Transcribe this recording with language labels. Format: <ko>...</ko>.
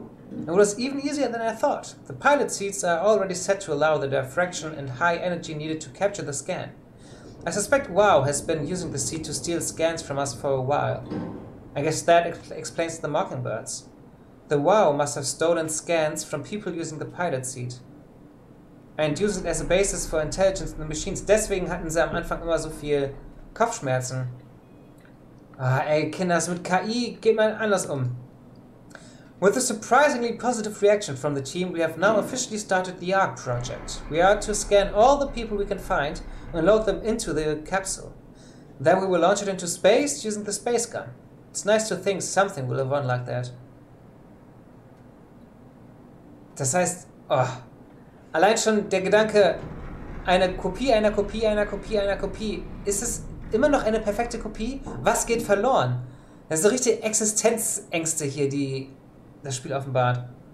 <en>It was even easier than I thought. The pilot seats are already set to allow the diffraction and high energy needed to capture the scan. I suspect WoW has been using the seat to steal scans from us for a while. I guess that explains the mockingbirds. The WoW must have stolen scans from people using the pilot seat and used it as a basis for intelligence in the machines.</en> <de>Deswegen hatten sie am Anfang immer so viel Kopfschmerzen. Ah, ey, Kinders, mit KI geht man anders um.</de> <en>With a surprisingly positive reaction from the team, we have now officially started the ARC project. We are to scan all the people we can find and load them into the capsule. Then we will launch it into space using the space gun. It's nice to think something will have run like that.</en> <de>Das heißt, oh, allein schon der Gedanke, eine Kopie einer Kopie einer Kopie einer Kopie, ist es immer noch eine perfekte Kopie? Was geht verloren? Das sind so richtige Existenzängste hier, die das Spiel offenbart.</de>